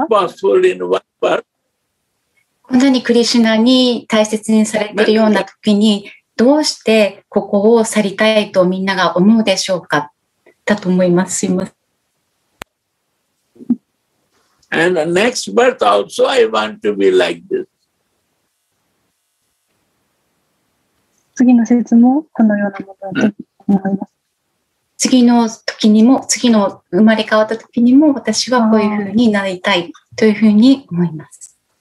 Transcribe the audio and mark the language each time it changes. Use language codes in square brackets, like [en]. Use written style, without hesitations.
[ja] こんなにクリシュナに大切にされているような時にどうしてここを去りたいとみんなが思うでしょうかだと思います。すいません。 [en] And the next birth also I want to be like this. [ja] 次の説もこのようなものだと思います。次の時にも、次の生まれ変わった時にも、私はこういうふうになりたいというふうに思います。